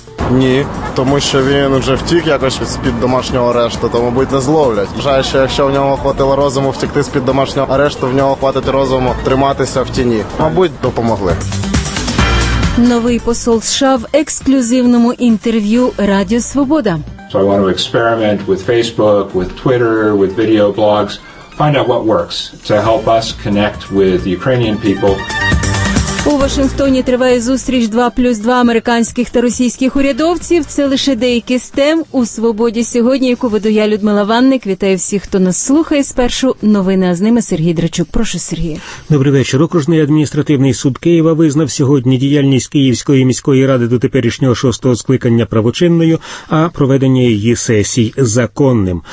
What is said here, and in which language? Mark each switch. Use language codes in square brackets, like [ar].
[uk] Ні, тому що він вже втік якось з-під домашнього арешту, то, мабуть, не зловлять. Вважаю, що якщо в нього хватило розуму втекти з-під домашнього арешту, в нього хватить розуму триматися в тіні. Мабуть, допомогли. Новий посол США в ексклюзивному інтерв'ю «Радіо Свобода». [en] So I want to experiment with Facebook, with Twitter, with video blogs, find out what works to help us connect with Ukrainian people. [uk] У Вашингтоні триває зустріч 2+2 американських та російських урядовців. Це лише деякі з тем у «Свободі сьогодні», яку веду я, Людмила Ванник. Вітаю всіх, хто нас слухає. Спершу новини, а з ними Сергій Драчук. Прошу, Сергій. Добрий вечір. Окружний адміністративний суд Києва визнав сьогодні діяльність Київської міської ради до теперішнього 6-го скликання правочинною, а проведення її сесій – законним.